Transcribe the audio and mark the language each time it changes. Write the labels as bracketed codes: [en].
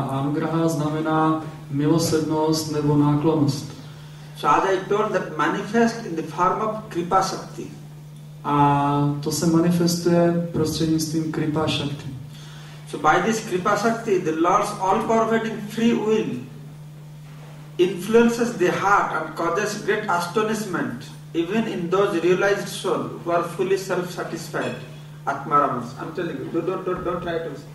[cs] Anugraha znamená milosrdnost nebo náklonost. [en] So as I told, that manifests in the form of Kripa Shakti. [cs] A to se manifestuje prostřednictvím Kripa Shakti. [en] So by this Kripa Shakti, the Lord's all-pervading free will influences the heart and causes great astonishment even in those realized souls who are fully self-satisfied. Atmaramas. I'm telling you, don't try to